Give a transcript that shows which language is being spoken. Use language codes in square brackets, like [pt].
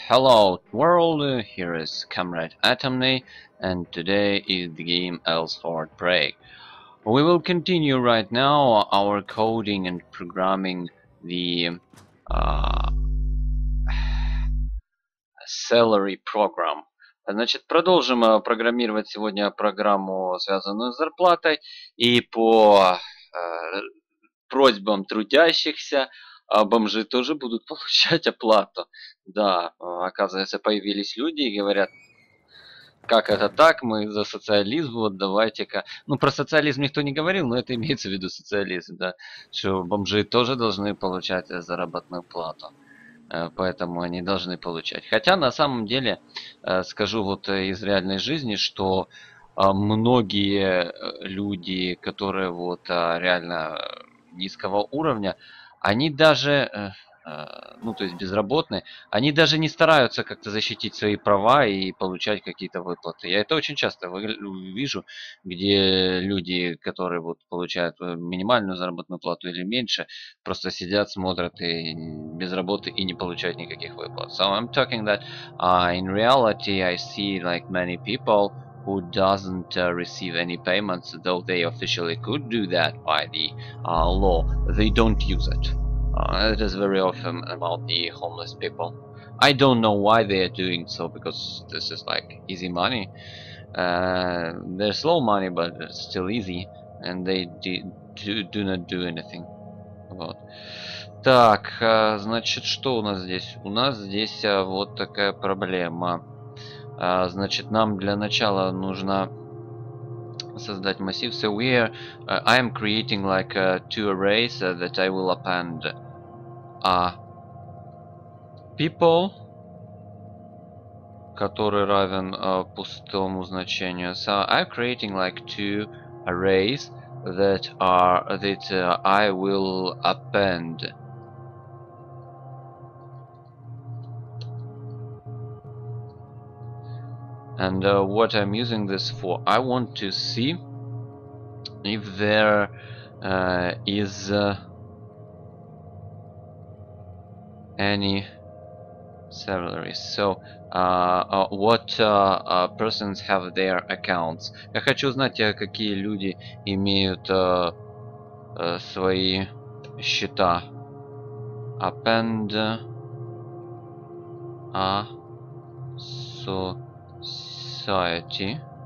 [en] Hello, world, here is Comrade Atomny, and today is the game Else Heartbreak. We will continue right now our coding and programming the salary program. [ru] Значит, продолжим программировать сегодня программу, связанную с зарплатой, и по просьбам трудящихся, а бомжи тоже будут получать оплату. Да, оказывается, появились люди и говорят, как это так, мы за социализм, вот давайте-ка. Ну, про социализм никто не говорил, но это имеется в виду социализм, да. Что бомжи тоже должны получать заработную плату. Поэтому они должны получать. Хотя, на самом деле, скажу вот из реальной жизни, что многие люди, которые вот реально низкого уровня, они даже, ну то есть безработные, они даже не стараются как-то защитить свои права и получать какие-то выплаты. Я это очень часто вижу, где люди, которые вот получают минимальную заработную плату или меньше, просто сидят, смотрят и без работы и не получают никаких выплат. [en] So I'm talking that in reality I see like many people who doesn't receive any payments, though they officially could do that by the law, they don't use it. It is very often about the homeless people. I don't know why they are doing so, because this is like easy money. They're slow money, but it's still easy, and they do not do anything. [ru] Вот. Так, значит, что у нас здесь? У нас здесь вот такая проблема. Значит, нам для начала нужно создать массив. [en] So we are, I am creating like two arrays that I will append people, [ru] который равен пустому значению. [en] So I'm creating like two arrays that are that I will append. And what I'm using this for, I want to see if there is any salary. So, what persons have their accounts. [ru] Я хочу узнать, какие люди имеют свои счета. [en] Append a so society.